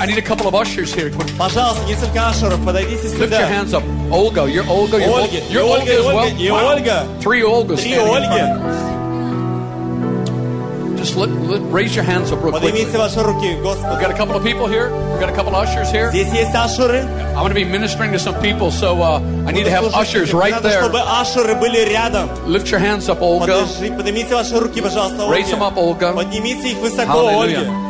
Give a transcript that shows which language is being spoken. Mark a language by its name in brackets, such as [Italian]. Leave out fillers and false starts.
[English] I need a couple of ushers here. Quick. [Russian] Пожалуйста, несколько ушеров, подойдите сюда. [English] Lift your hands up. Olga, you're Olga. You're Olga as well. [Russian] И Ольга. [English] Three Olgas. [Russian] Три Ольги. [English] Raise your hands up real quick. [Russian] Поднимите ваши руки, Господи. [English] We've got a couple of people here. We've got a couple of ushers here. [Russian] Здесь есть ушеры. [English] I'm going to be ministering to some people, so I need to have ushers right there. [Russian] Чтобы ушеры были рядом. [English] Lift your hands up, Olga. [Russian] Поднимите ваши руки, пожалуйста, Ольга. [English] Raise them up, Olga. [Russian] Поднимите их высоко, Ольга.